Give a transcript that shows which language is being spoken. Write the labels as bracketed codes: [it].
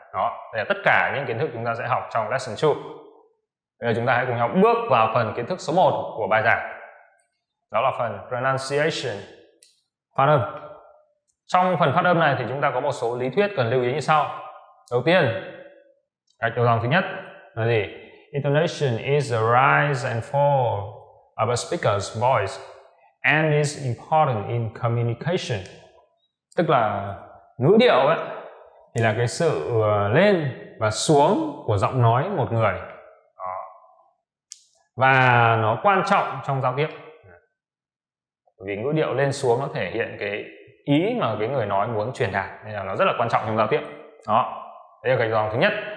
[vi] Đó, đây là tất cả những kiến thức chúng ta sẽ học trong lesson 2. Bây giờ chúng ta hãy cùng nhau bước vào phần kiến thức số 1 của bài giảng. Đó là phần pronunciation, phát âm. Trong phần phát âm này thì chúng ta có một số lý thuyết cần lưu ý như sau. Đầu tiên, cái điều dòng thứ nhất là gì? [en] Intonation is the rise and fall of a speaker's voice and is important in communication. [vi] Tức là ngữ điệu ấy, thì là cái sự lên và xuống của giọng nói một người. Và nó quan trọng trong giao tiếp. Vì ngữ điệu lên xuống nó thể hiện cái ý mà cái người nói muốn truyền đạt, nên là nó rất là quan trọng trong giao tiếp. Đó. Đây là cái dòng thứ nhất.